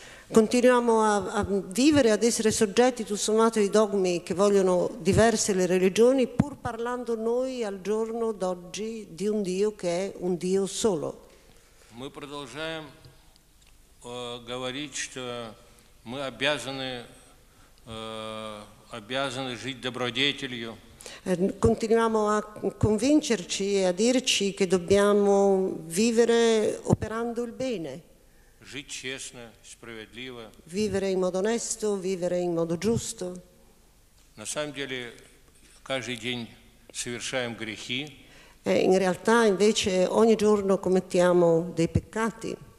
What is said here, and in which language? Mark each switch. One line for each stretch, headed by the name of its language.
Italian: Continuiamo a vivere, ad essere soggetti, tutto sommato, ai dogmi che vogliono diverse le religioni, pur parlando noi al giorno d'oggi di un Dio che è un Dio solo.
Russian: Мы продолжаем говорить, что мы обязаны жить добродетелью.
Italian: Continuiamo a convincerci e a dirci che dobbiamo vivere operando il bene.
Russian: Жить честно, справедливо.
Italian: Vivere in modo onesto, vivere in modo giusto.
Russian: На самом деле, каждый день совершаем грехи.
Italian: In realtà invece ogni giorno commettiamo dei peccati.